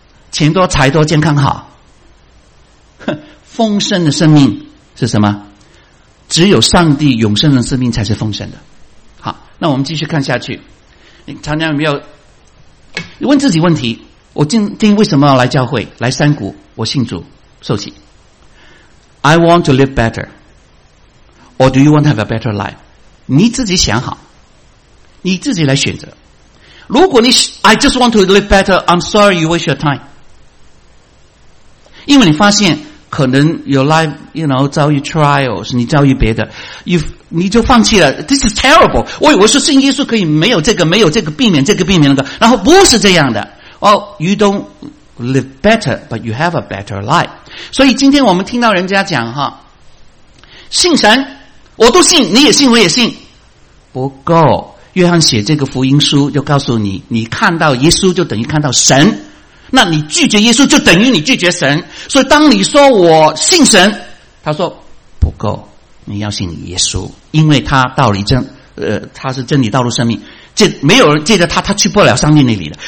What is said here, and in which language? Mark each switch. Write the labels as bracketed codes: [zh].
[zh] 钱多财多健康好。丰盛的生命是什么？只有上帝永生的生命才是丰盛的。那我们继续看下去。你常常有没有问自己问题？我今天为什么要来教会？来山谷，我信主受洗。 [en] I want to live better or do you want to have a better life? [zh] 你自己想好，你自己来选择。如果 [en] 你 I just want to live better, I'm sorry you waste your time, [zh] 因为你发现可能 [en] your life, you know, [zh] 遭遇 [en] trials, [zh] 你遭遇别的，你就放弃了。 [en] This is terrible. [zh] 我以为说信耶稣可以没有这个，没有这个，避免这个，避免那个，然后不是这样的。 [en] Oh, you don't live better, but you have a better life. [zh] 所以今天我们听到人家讲哈，信神，我都信，你也信，我也信，不够。约翰写这个福音书就告诉你，你看到耶稣就等于看到神，那你拒绝耶稣就等于你拒绝神。所以当你说我信神，他说不够，你要信耶稣，因为他道理真，他是真理道路生命，这没有人借着他去不了上帝那里了。